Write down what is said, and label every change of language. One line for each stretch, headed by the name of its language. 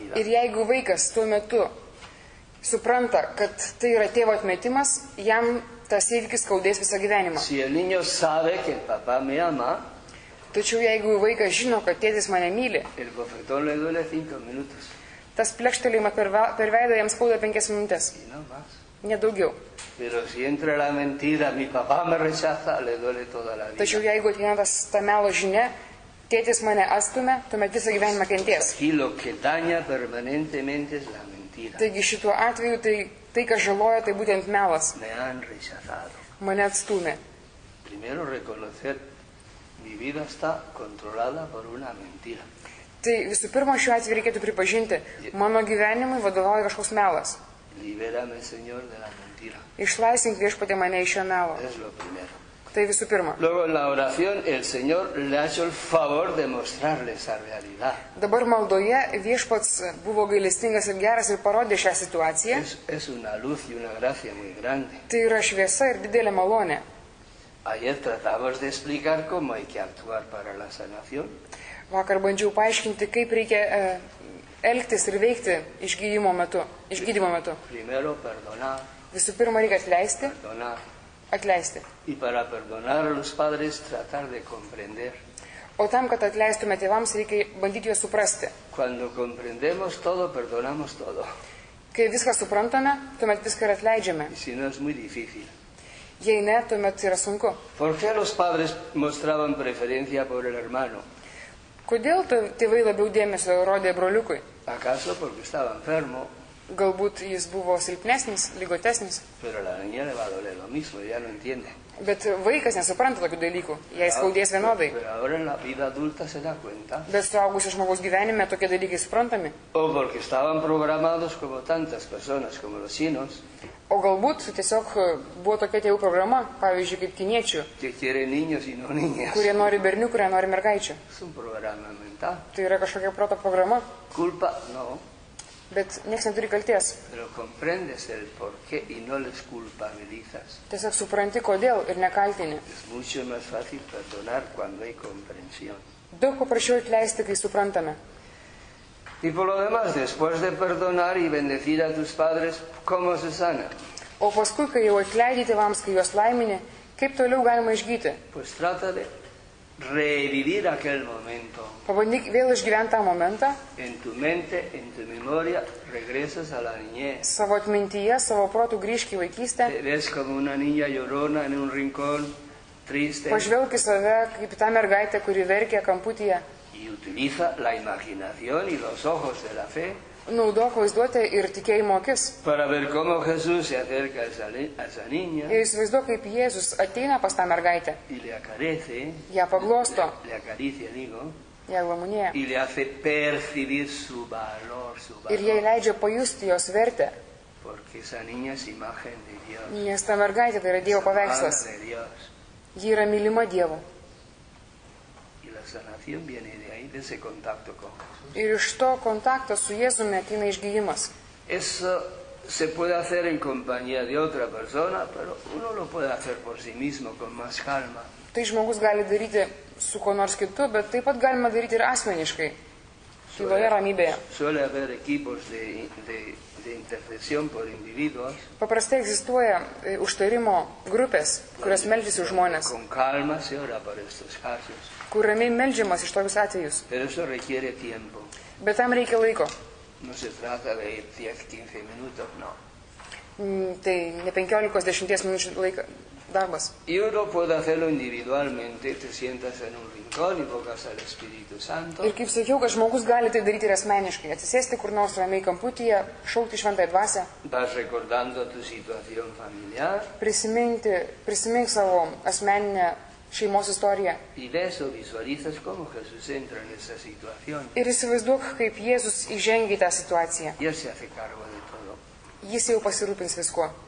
Lithuanian: Ir jeigu vaikas tuo metu supranta, kad tai yra tėvo atmetimas, jam tas įvykis skaudės visą gyvenimą.
Spanish: Si el niño sabe que el papá me ama,
Lithuanian: tačiau jeigu vaikas žino, kad tėtis mane myli,
Spanish: el bofetón le duele 5 minutos.
Lithuanian: Tas plekštelėjimas per veidą jam skauda 5 minutes. Nedaugiau.
Spanish: Pero si entra la mentira, mi papá me rechaza, le duele toda la vida.
Lithuanian: Tačiau jeigu ateina tas ta melo žinia, tėtis mane atstumė, tuomet visą gyvenimą kentės. Taigi šituo atveju tai, tai kas žaloja, tai būtent melas. Mane atstumė.
Spanish: Primero reconocer, mi vida está controlada por una mentira.
Lithuanian: Tai visų pirma, šiuo atveju reikėtų pripažinti, mano gyvenimui vadovauja kažkoks melas.
Spanish: Liberame, señor, de la mentira.
Lithuanian: Išlaisink viešpatė mane iš šio melo.
Spanish: Es lo primero.
Lithuanian: Tai visų pirma.
Spanish: Luego en la oración el Señor le ha hecho el favor de mostrarle esa realidad.
Lithuanian: Dabar maldoje viešpats buvo gailestingas ir geras ir parodė šią situaciją.
Spanish: Es una luz y una gracia muy grande.
Lithuanian: Tai yra šviesa ir didelė malonė.
Spanish: Ayer tratamos de explicar cómo hay que actuar para la sanación.
Lithuanian: Vakar bandžiau paaiškinti, kaip reikia elgtis ir veikti išgydymo metu, išgydymo metu.
Spanish: Primero perdonar.
Lithuanian: Visų pirma reikia atleisti.
Spanish: Perdonar.
Lithuanian: Atleisti.
Spanish: Y para perdonar a los padres tratar de comprender.
Lithuanian: O tam, kad atleistume tėvams, reikia bandyti juos suprasti.
Spanish: Cuando comprendemos todo, perdonamos todo.
Lithuanian: Kai viską suprantame, tuomet viską ir atleidžiame.
Spanish: Y si no es muy difícil.
Lithuanian: Jei ne, tuomet yra sunku.
Spanish: ¿Por qué los padres mostraban preferencia por el hermano?
Lithuanian: Kodėl tėvai labiau dėmesio rodė broliukui?
Spanish: ¿Acaso porque estaba enfermo?
Lithuanian: Galbūt jis buvo silpnesnis, ligotesnis.
Spanish: Pero la niña le va a doler lo mismo, ya no entiende.
Lithuanian: Bet vaikas nesupranta tokių dalykų, jai skaudės vienodai.
Spanish: Pero ahora en la vida adulta se da cuenta.
Lithuanian: Bet suaugusio žmogaus gyvenime tokie dalykai suprantami.
Spanish: O porque estaban programados como tantas personas, como los chinos.
Lithuanian: O galbūt tiesiog buvo tokia tėvų programa, pavyzdžiui, kaip kiniečių.
Spanish: Que quiere niños y no niñas.
Lithuanian: Kurie nori berniukų, kurie nori mergaičių.
Spanish: Es un programa mental.
Lithuanian: Tai yra kažkokia proto programa.
Spanish: Culpa, no.
Lithuanian: Bet nieks neturi kalties.
Spanish: Pero comprendes el por qué y no les culpabilizas.
Lithuanian: Tiesiog supranti, kodėl ir nekaltini.
Spanish: Es mucho más fácil perdonar cuando hay comprensión.
Lithuanian: Daug paprasčiau atleisti, kai suprantame.
Spanish: Y por lo demás, después de perdonar y bendecir a tus padres, ¿cómo se sana?
Lithuanian: O paskui, kai jau atleidi tėvams, kai juos laimini, kaip toliau galima išgyti?
Spanish: Pues trata de revivir aquel momento.
Lithuanian: Pabandyk vėl išgyventi tą momentą.
Spanish: En tu mente, en tu memoria, regresas a la niñez.
Lithuanian: Savo atmintyje, savo protų grįžk į vaikystę.
Spanish: Te ves como una niña llorona en un rincón, triste.
Lithuanian: Pažvelk į save, kaip tą mergaitę, kuri verkia kamputyje.
Spanish: Y utiliza la imaginación y los ojos de la fe.
Lithuanian: Naudok vaizduotę ir tikėjimo akis.
Spanish: Para ver cómo Jesús se acerca a esa niña.
Lithuanian: Ir įsivaizduok, kaip Jėzus ateina pas tą mergaitę.
Spanish: Y le acarece.
Lithuanian: Ją paglosto.
Spanish: Le acaricia, digo.
Lithuanian: Ją glamonėja.
Spanish: Y le hace percibir su valor, su valor.
Lithuanian: Ir jai leidžia pajusti jos vertę.
Spanish: Porque esa niña es imagen de Dios.
Lithuanian: Nes ta mergaitė tai yra Dievo paveikslas.
Spanish: Madre de Dios.
Lithuanian: Ji yra mylima Dievo.
Spanish: Sanación viene de ahí, de ese contacto con Jesús.
Lithuanian: Ir iš to kontakto su Jėzumi ateina išgyjimas.
Spanish: Eso se puede hacer en compañía de otra persona, pero uno lo puede hacer por sí mismo con más calma.
Lithuanian: Tai žmogus gali daryti su kuo nors kitu, bet taip pat galima daryti ir asmeniškai. Tyloje ramybėje.
Spanish: Suele haber equipos de intercesión por individuos.
Lithuanian: Paprastai egzistuoja užtarimo grupės, kurios meldžiasi už žmones.
Spanish: Con calma se ora por estos casos.
Lithuanian: Kur ramiai meldžiamas iš tokius atvejus.
Spanish: Pero eso requiere tiempo.
Lithuanian: Bet tam reikia laiko.
Spanish: No se trata de 10-15 minutos, no.
Lithuanian: Tai ne 15-10 minučių laiko darbas.
Spanish: Y uno puede hacerlo individualmente, te sientas en un rincón y invocas al Espíritu Santo.
Lithuanian: Ir kaip sakiau, kad žmogus gali tai daryti ir asmeniškai. Atsisėsti kur nors ramiai kamputyje, šaukti šventąją dvasę.
Spanish: Vas recordando tu situación familiar.
Lithuanian: Prisimink savo asmeninę šeimos istorija. Ir įsivaizduok, kaip Jėzus įžengia į tą situaciją. Jis jau pasirūpins viskuo.